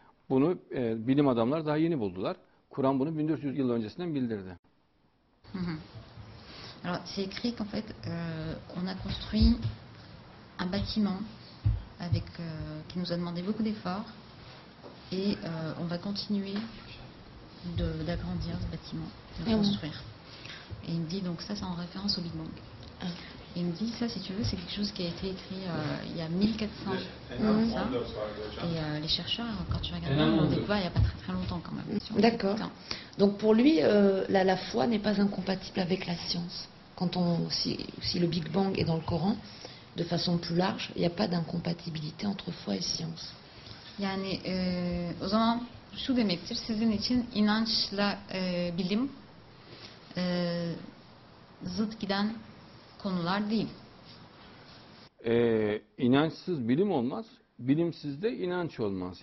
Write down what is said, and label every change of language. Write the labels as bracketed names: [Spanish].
[Turkish] Bunu bilim adamları daha yeni buldular. Kur'an bunu 1400 yıl öncesinden bildirdi. [French] Alors, c'est écrit qu'en fait, on a construit un bâtiment avec, qui nous a demandé beaucoup d'efforts et on va continuer d'agrandir ce bâtiment, de le construire. Oui. Et il me dit donc, ça, c'est en référence au Big Bang. Ah. Il me dit, ça, si tu veux, c'est quelque chose qui a été écrit il y a 1400 ans. Mm-hmm. Et les chercheurs, quand tu regardes, on découvre il n'y a pas très très longtemps quand même. D'accord. Donc pour lui, la foi n'est pas incompatible avec la science. Quand on, si le Big Bang est dans le Coran, de façon plus large, il n'y a pas d'incompatibilité entre foi et science. [Turkish] Yani, o zaman şu demektir, sizin için inançla bilim zıt giden konular değil. İnançsız bilim olmaz, bilimsiz de inanç olmaz.